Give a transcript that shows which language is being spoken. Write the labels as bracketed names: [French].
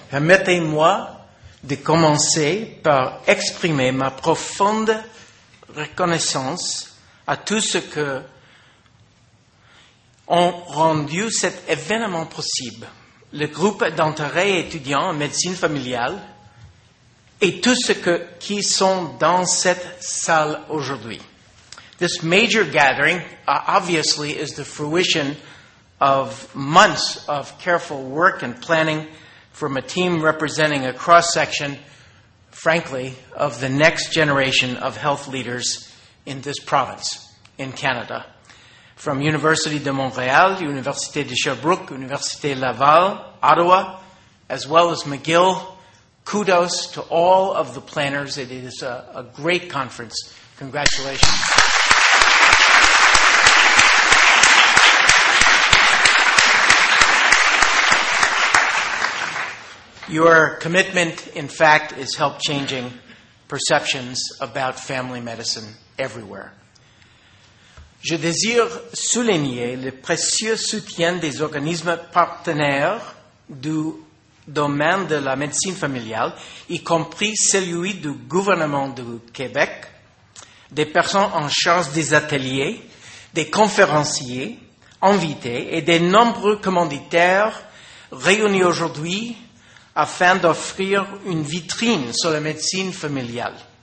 [French] Permettez-moi de commencer par exprimer ma profonde reconnaissance à tous ceux qui ont rendu cet événement possible. Le groupe d'intérêt étudiant en médecine familiale et tous ceux qui sont dans cette salle aujourd'hui. [English] This major gathering obviously is the fruition of months of careful work and planning from a team representing a cross-section, frankly, of the next generation of health leaders in this province, in Canada. From Université de Montréal, Université de Sherbrooke, Université Laval, Ottawa, as well as McGill, kudos to all of the planners. It is a great conference. Congratulations. Your commitment, in fact, has helped changing perceptions about family medicine everywhere. [French] Je désire souligner le précieux soutien des organismes partenaires du domaine de la médecine familiale, y compris celui du gouvernement du Québec, des personnes en charge des ateliers, des conférenciers invités et des nombreux commanditaires réunis aujourd'hui afin d'offrir une vitrine sur la médecine familiale.